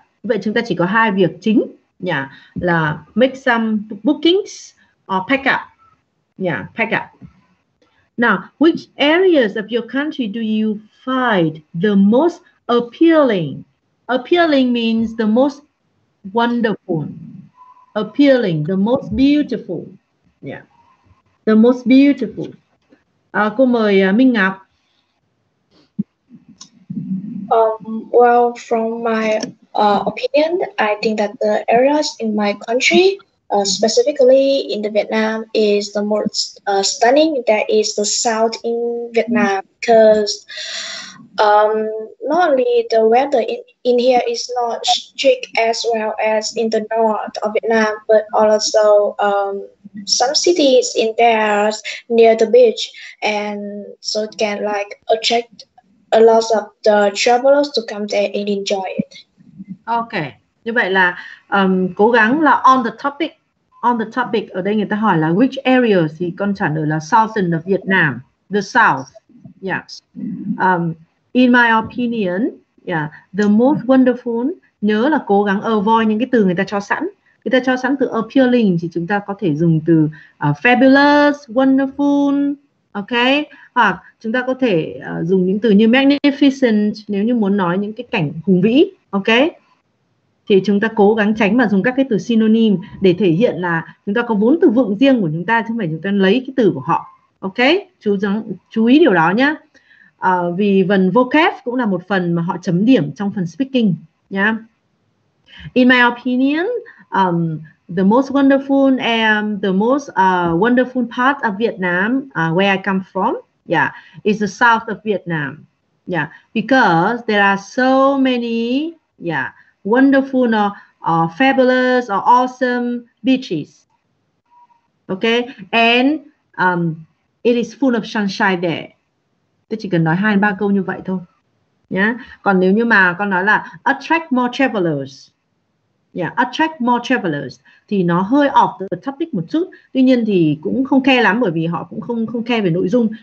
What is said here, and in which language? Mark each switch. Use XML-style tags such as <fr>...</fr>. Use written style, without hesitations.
<vi>Vậy chúng ta chỉ có hai việc chính, yeah, là</vi> <en>make some bookings or pack up,</en> <vi>yeah, pack up.</vi> <en>Now, which areas of your country do you find the most appealing? Appealing means the most wonderful, appealing, the most beautiful, yeah, the most beautiful.</en> <vi>Cô mời Minh Ngọc.</vi> <en>Well, from my opinion, I think that the areas in my country, specifically in the Vietnam, is the most stunning. That is the south in Vietnam, because not only the weather in here is not strict as well as in the north of Vietnam, but also some cities in there near the beach, and so it can like attract a lot of the travelers to come there and enjoy it.</en> <vi>Okay, như vậy là cố gắng là on the topic. Ở đây người ta hỏi là</vi> <en>which areas,</en> <vi>thì con trả lời là</vi> <en>southern of Vietnam, the south. Yes. In my opinion, yeah, the most wonderful.</en> <vi>Nhớ là cố gắng avoid những cái từ người ta cho sẵn. Người ta cho sẵn từ appealing thì chúng ta có thể dùng từ fabulous, wonderful, okay? Hoặc chúng ta có thể dùng những từ như magnificent nếu như muốn nói những cái cảnh hùng vĩ, okay? Thì chúng ta cố gắng tránh mà dùng các cái từ synonym để thể hiện là chúng ta có vốn từ vựng riêng của chúng ta, chứ không phải chúng ta lấy cái từ của họ, okay? Chú ý điều đó nhé. Vì phần vocab cũng là một phần mà họ chấm điểm trong phần speaking, nhá.</vi> <en>Yeah. In my opinion, the most wonderful and the most wonderful part of Vietnam, where I come from, yeah, is the south of Vietnam, yeah, because there are so many, yeah, wonderful or fabulous or awesome beaches, okay, and it is full of sunshine there,</en> <vi>Tôi chỉ cần nói 2-3 câu như vậy thôi. Yeah. Còn nếu như mà con nói là</vi> <en>attract more travelers, yeah, attract more travelers,</en> <vi>thì nó hơi</vi> <en>off the topic</en> <vi>một chút. Tuy nhiên thì cũng không care lắm, bởi vì họ cũng không care về nội dung.</vi>